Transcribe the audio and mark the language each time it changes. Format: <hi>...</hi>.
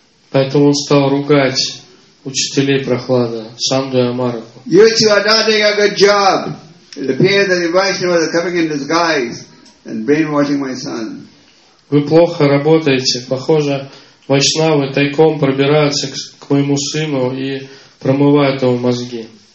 <ru>Поэтому он стал ругать учителей Прохлада, Санду и Амараку.</ru> <en>You two are not doing a good job. It appears that Vishnu was coming in disguise and brainwashing my son.</en> <ru>Вы плохо работаете. Похоже, вайшнавы тайком пробираются к моему сыну и промывают его мозги.</ru>